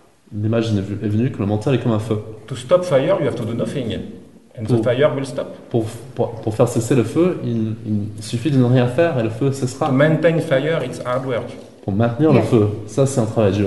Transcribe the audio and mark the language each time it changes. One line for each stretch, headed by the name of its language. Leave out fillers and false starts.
French: L'image est venue que le mental est comme un feu.
English: To stop fire, you have to do nothing, and the fire will stop.
French: Pour faire cesser le feu, il suffit de ne rien faire et le feu cessera.
English: To maintain fire, it's hard work.
French: Pour maintenir le feu, ça c'est un travail dur.